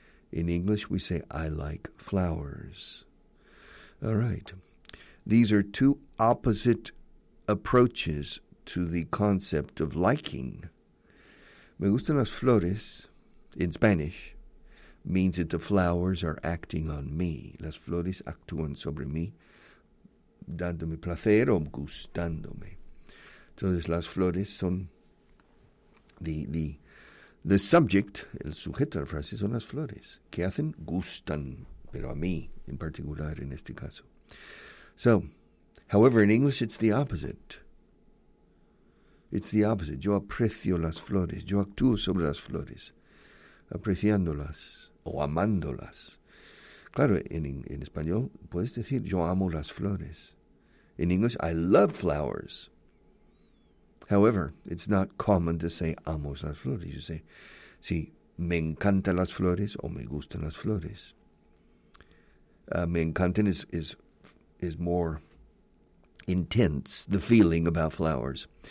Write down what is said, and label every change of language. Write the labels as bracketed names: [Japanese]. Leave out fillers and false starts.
[English] In English, we say, I like flowers. All right. These are two opposite approaches to the concept of liking. [Spanish] Me gustan las flores, [English] in Spanish, means that the flowers are acting on me. [Spanish] Las flores actúan sobre mí, dándome placer o gustándome. Entonces, las flores son [English] the subject, [Spanish] el sujeto de la frase, son las flores. ¿Qué hacen? Gustan, pero a mí, en particular, en este caso. [English] So, however, in English, it's the opposite. It's the opposite. [Spanish] Yo aprecio las flores. Yo actúo sobre las flores. Apreciándolas o amándolas. Claro, en español puedes decir, yo amo las flores. [English] In English, I love flowers. However, it's not common to say [Spanish] amo las flores. [English] You say, [Spanish] sí, me encantan las flores o me gustan las flores. Me encantan [English] is more intense, the feeling about flowers.